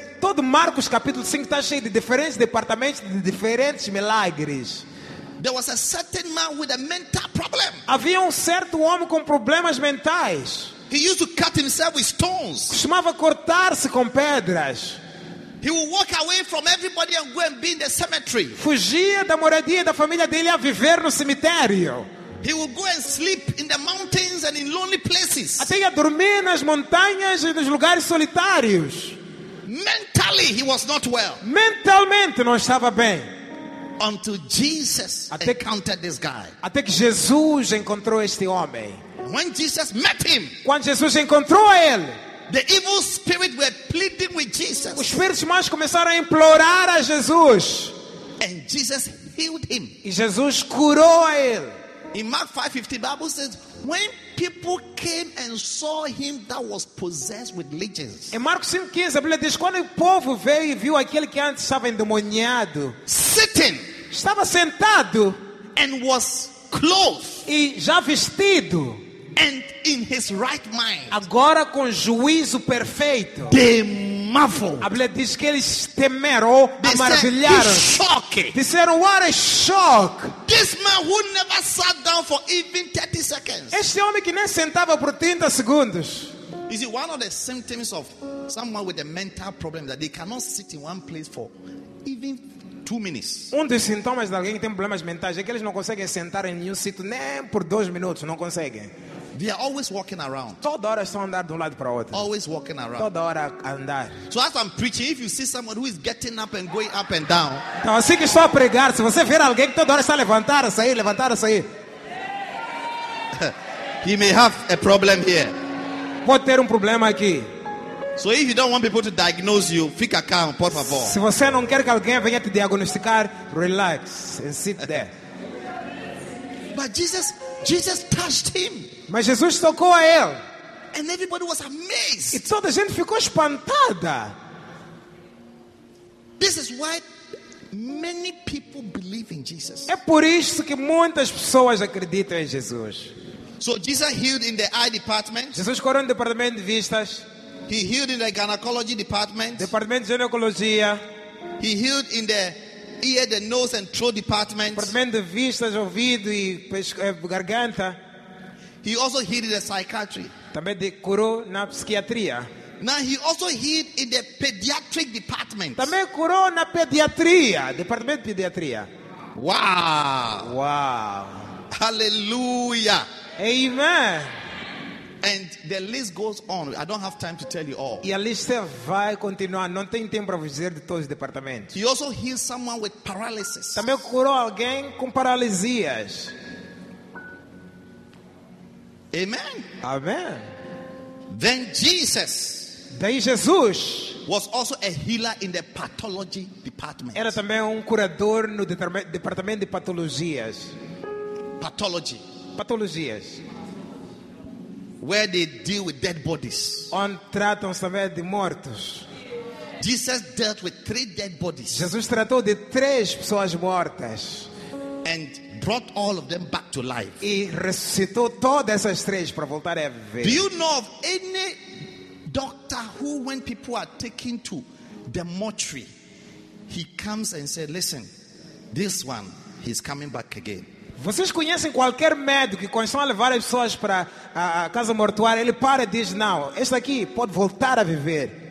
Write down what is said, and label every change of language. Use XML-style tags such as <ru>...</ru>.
<pt>Todo Marcos capítulo 5 está cheio de diferentes departamentos de diferentes milagres.</pt> <en>There was a certain man with a mental problem.</en> <pt>Havia certo homem com problemas mentais.</pt> <en>He used to cut himself with stones.</en> <pt>Costumava cortar-se com pedras.</pt> <en>He would walk away from everybody and go and be in the cemetery.</en> <pt>Fugia da moradia da família dele a viver no cemitério.</pt> <en>He would go and sleep in the mountains and in lonely places.</en> <pt>Até ia dormir nas montanhas e nos lugares solitários.</pt> <en>Mentally, he was not well.</en> <pt>Mentalmente não estava bem.</pt> <en>Until Jesus encountered this guy.</en> <pt>Até que Jesus encontrou este homem.</pt> <en>When Jesus met him,</en> <pt>quando Jesus encontrou a ele,</pt> <en>the evil spirit were pleading with Jesus.</en> <pt>Os espíritos maus começaram a implorar a Jesus.</pt> <en>And Jesus healed him.</en> <pt>E Jesus curou a ele.</pt> <en>In Mark 5:50, the Bible says, when people came and saw him that was possessed with legions.</en> <pt>Em Marcos 5:15, a Bíblia diz, quando o povo veio e viu aquele que antes estava endemoniado,</pt> <en>sitting,</en> <pt>estava sentado,</pt> <en>and was clothed,</en> <pt>e já vestido,</pt> <en>and in his right mind,</en> <pt>agora com juízo perfeito,</pt> <en>they marvel.</en> <pt>A Bíblia diz que eles temeram, maravilharam, disseram,</pt> <en>what a shock. This man who never sat down for even 30 seconds.</en> <pt>Este homem que nem sentava por 30 segundos.</pt> <en>Is it one of the symptoms of someone with a mental problem that they cannot sit in one place for even 2 minutes?</en> <pt>Um dos sintomas de alguém que tem problemas mentais é que eles não conseguem sentar em nenhum sítio nem por 2 minutos, não conseguem.</pt> <en>They are always walking around.</en> <pt>Toda hora estão andando de um lado para o outro.</pt> <en>Always walking around.</en> <pt>Toda hora andar.</pt> <en>So as I'm preaching, if you see someone who is getting up and going up and down.</en> <pt>Então assim que estou a pregar, se você ver alguém que toda hora está levantar, sair.</pt> <en>He may have a problem here.</en> <pt>Pode ter problema aqui.</pt> <en>So if you don't want people to diagnose you,</en> <pt>fica calmo, por favor. Se você não quer que alguém venha te diagnosticar,</pt> <en>relax and sit there. But Jesus touched him.</en> <pt>Mas Jesus tocou a ele.</pt> <en>And everybody was amazed.</en> <pt>E toda a gente ficou espantada.</pt> <en>This is why many people believe in Jesus.</en> <pt>É por isso que muitas pessoas acreditam em Jesus.</pt> <en>So Jesus healed in the eye department.</en> <pt>Jesus curou no departamento de vistas.</pt> <en>He healed in the gynecology department.</en> <pt>Departamento de ginecologia.</pt> <en>He healed in the ear, the nose and throat department.</en> <pt>Departamento de vistas, ouvido e garganta.</pt> <en>He also healed in the psychiatry.</en> <pt>Também de curou na psiquiatria.</pt> <en>Now he also healed in the pediatric department.</en> <pt>Também curou na pediatria, departamento de pediatria.</pt> <en>Wow. Hallelujah. Amen. And the list goes on. I don't have time to tell you all.</en> <pt>E a lista vai continuar. Não tenho tempo para vos dizer de todos os departamentos.</pt> <en>He also healed someone with paralysis.</en> <pt>Também curou alguém com paralisias.</pt> <en>Amen. Amen. Then Jesus.</en> <pt>Daí Jesus</pt> <en>was also a healer in the pathology department.</en> <pt>Era também curador no departamento de patologias.</pt> <en>Pathology.</en> <pt>Patologias.</pt> <en>Where they deal with dead bodies.</en> <pt>Onde tratam-se também de mortos.</pt> <en>Jesus dealt with 3 dead bodies.</en> <pt>Jesus tratou de 3 pessoas mortas.</pt> <en>And brought all of them back to life.</en> <pt>E ressuscitou todas essas 3 para voltar a viver.</pt> <en>Do you know of any doctor who, when people are taken to the mortuary, he comes and says, "Listen, this one, he's coming back again."</en> <pt>Vocês conhecem qualquer médico que quando estão a levar as pessoas para a casa mortuária, ele para e diz, "Não, este aqui pode voltar a viver."</pt>